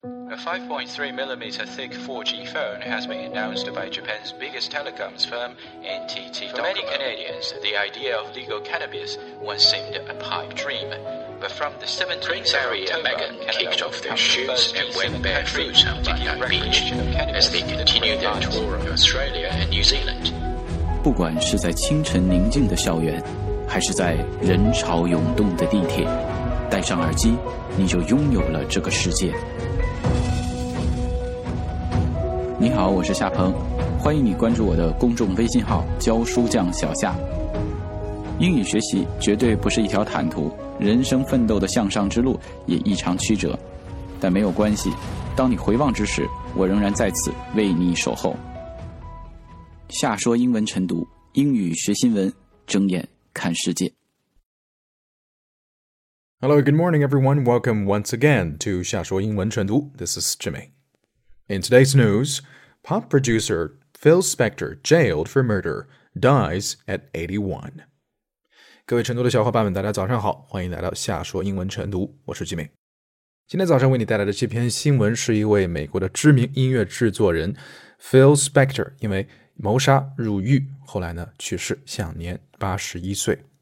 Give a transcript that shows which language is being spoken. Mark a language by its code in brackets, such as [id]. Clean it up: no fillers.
[en] A 5.3mm thick 4G phone has been announced by Japan's biggest telecoms firm, NTT Docomo. For many Canadians, the idea of legal cannabis once seemed a pipe dream. But from the 17th of October, and Megan kicked off their shoes and went barefoot on Bondi Beach as they continued their tour of Australia and New Zealand. [zh] 不管是在清晨宁静的校园，还是在人潮涌动的地铁，戴上耳机，你就拥有了这个世界。你好，我是夏鹏，欢迎你关注我的公众微信号“教书匠小夏”。英语学习绝对不是一条坦途，人生奋斗的向上之路也异常曲折，但没有关系，当你回望之时，我仍然在此为你守候。夏说英文晨读，英语学新闻，睁眼看世界。 [en] Hello, good morning, everyone. Welcome once again to 夏说英文晨读. This is Jimmy. In today's news, pop producer Phil Spector jailed for murder dies at 81. [zh] 各位晨读的小伙伴们，大家早上好，欢迎来到夏说英文晨读，我是 Jimmy。今天早上为你带来的这篇新闻是一位美国的知名音乐制作人 Phil Spector 因为谋杀入狱，后来呢去世，享年81岁。